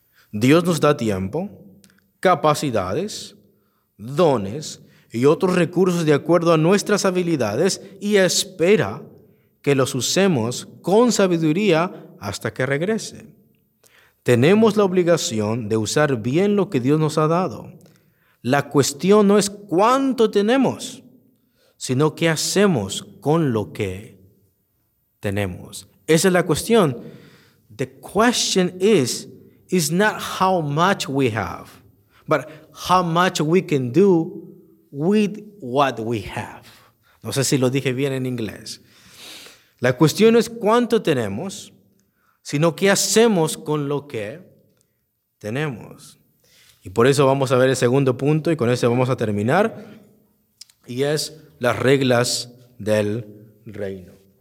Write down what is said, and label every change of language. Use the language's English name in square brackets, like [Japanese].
[Spanish] Dios nos da tiempo, capacidades, dones y otros recursos de acuerdo a nuestras habilidades y espera que los usemos con sabiduría hasta que regrese. Tenemos la obligación de usar bien lo que Dios nos ha dado. La cuestión no es cuánto tenemos, sino qué hacemos con lo que tenemos. Esa es la cuestión. [English] The question is not how much we have, but how much we can do with what we have. [Spanish] No sé si lo dije bien en inglés. La cuestión no es cuánto tenemos, sino qué hacemos con lo que tenemos. Y por eso vamos a ver el segundo punto y con ese vamos a terminar. Y es las reglas del reino.